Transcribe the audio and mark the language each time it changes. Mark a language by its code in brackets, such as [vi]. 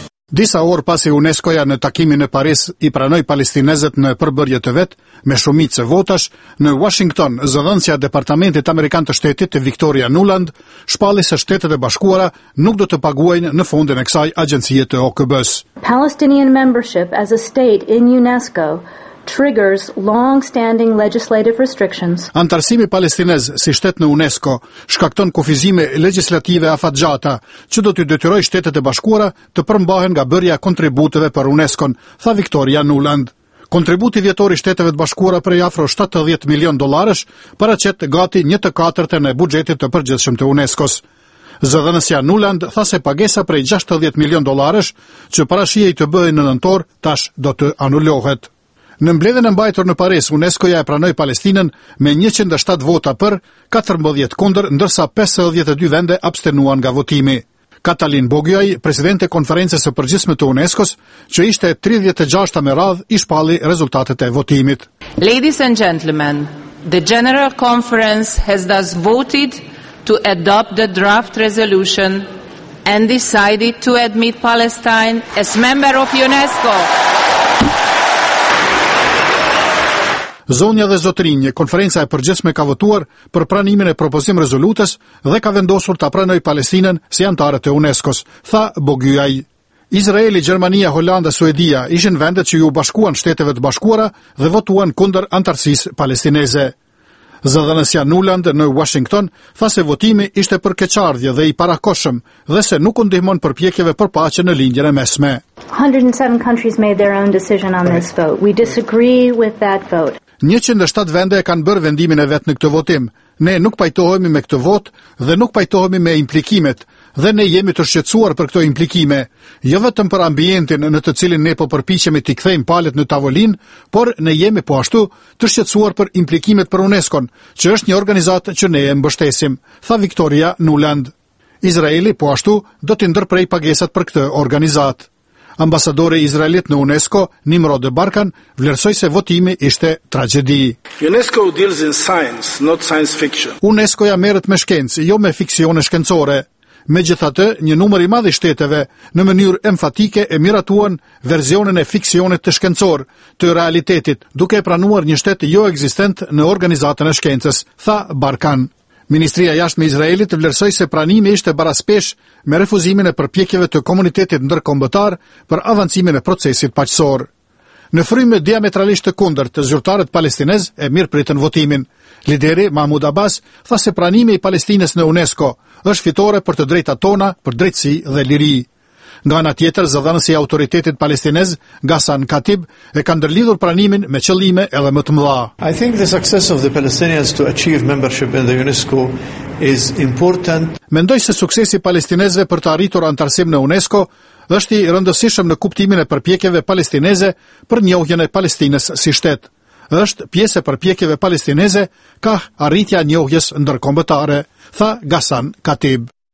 [sq] Disa orë pasi UNESCO-ja në takimin e Paris i pranoi palestinezët në përbërje të vet me shumicë të votash, në Washington, zëdhënësja Departamentit Amerikan të Shtetit Victoria Nuland shpalli se Shtetet e Bashkuara nuk do të paguajnë në fondin e kësaj agjencie të OKB-s. [en] Palestinian membership as a state in UNESCO triggers long-standing legislative restrictions. [sq] Antarësimi palestinez si shtet në UNESCO shkakton kufizime legislative afatgjata që do t'i detyrojë Shtetet e Bashkuara të përmbahen nga bërja kontributeve për UNESCO-n, tha Victoria Nuland. Kontributi vjetor i Shteteve të Bashkuara prej afro 70 milion dollarësh paraqet gati 1/4 e buxhetit të përgjithshëm të UNESCO-s. Zëdhënësja Nuland tha se pagesa prej 60 milion dollarësh që parashihej të bëhej në nëntor tash do të anulohet. Në mbledhjen e mbajtur në Paris, UNESCO-ja e pranoi Palestinën me 107 vota për, 14 kundër, ndërsa 52 vende abstenuan nga votimi. Katalin Bogjaj, president e konferences së përgjithshme të UNESCO-s, që ishte 36-ta me radhë, i shpalli rezultatet e votimit. [en] Ladies and gentlemen, the General Conference has thus voted to adopt the draft resolution and decided to admit Palestine as member of UNESCO. [sq] Zonja dhe zotrinje, konferenca e përgjithshme ka votuar për pranimin e propozim rezolutës dhe ka vendosur ta pranoj Palestinën si antare të UNESCO-s, tha Bogjaj. Izraeli, Gjermania, Holanda, Suedia ishin vendet që ju bashkuan Shteteve të Bashkuara dhe votuan kundër antarësisë palestineze. Zëdhënësja Nuland në Washington tha se votimi ishte për keqardhje dhe i parakoshëm dhe se nuk u ndihmon përpjekjeve për paqe në lindjen e mesme. [en] 107 countries made their own decision on this vote. We disagree with that vote. [sq] 107 vende e kanë bërë vendimin e vet në këtë votim. Ne nuk pajtohemi me këtë vot dhe nuk pajtohemi me implikimet dhe ne jemi të shqetësuar për këto implikime, jo vetëm për ambientin në të cilin ne po përpiqemi t'i kthejmë palët në tavolinë, por ne jemi po ashtu të shqetësuar për implikimet për UNESCO-n, që është një organizatë që ne e mbështesim, tha Victoria Nuland. Izraeli po ashtu do të ndër prej pagesat për këtë organizat. Ambasadore izraelit në UNESCO, Nimrod Barkan, vlerësoi se votimi ishte tragjedi. [en] UNESCO deals in science, not science fiction. [sq] UNESCO ja merret me shkencë, jo me fiksione shkencore. Megjithatë, një numër i madh i shteteve në mënyrë emfatike e miratuan versionin e fiksionit të shkencor të realitetit, duke pranuar një shtet jo ekzistent në organizatën e shkencës, tha Barkan. Ministria jashtë me Izraelit vlerësoj se pranimi ishte baraspesh me refuzimin e përpjekjeve të komunitetit ndërkombëtar për avancimin e procesit paqësor. Në frymë diametralisht të kundër të zyrtarët palestinez e mirë pritën votimin. Lideri Mahmud Abbas tha se pranimi i Palestinës në UNESCO është fitore për të drejta tona, për drejtësi dhe liri. Nga ana tjetër, zëdhënësi i autoritetit palestinez, Ghassan Katib, e ka ndërlidhur pranimin me qëllime edhe më të mëdha. [en] I think the success of the Palestinians to achieve membership in the UNESCO is important. [sq] Mendoj se suksesi palestinezve për të arritur antarësim në UNESCO është i rëndësishëm në kuptimin e përpjekjeve palestineze për njohjen e Palestinës si shtet. Është pjesë e përpjekjeve palestineze kah arritja njohjes ndërkombëtare, tha Ghassan Katib.